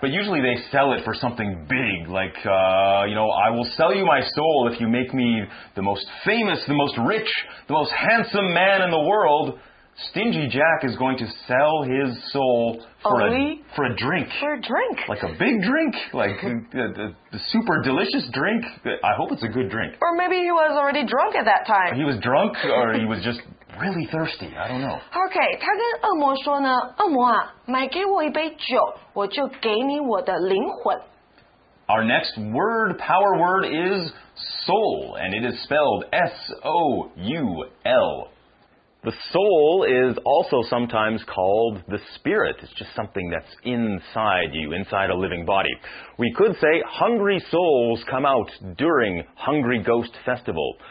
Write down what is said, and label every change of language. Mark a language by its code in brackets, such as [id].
[en] But usually they sell it for something big, like,、you know, I will sell you my soul if you make me the most famous, the most rich, the most handsome man in the world. Stingy Jack is going to sell his soul for a drink. For a drink. Like a big drink. Like the super delicious drink. I hope it's a good drink. Or maybe he was already drunk at that time. He was drunk or he was just really thirsty. I don't know. [zh] Okay, 他跟恶魔说呢，恶魔啊，买给我一杯酒，我就给你我的灵魂。 [en] Our next word, power word is soul, and it is spelled S-O-U-L. The soul is also sometimes called the spirit. It's just something that's inside you, inside a living body. We could say hungry souls come out during Hungry Ghost Festival.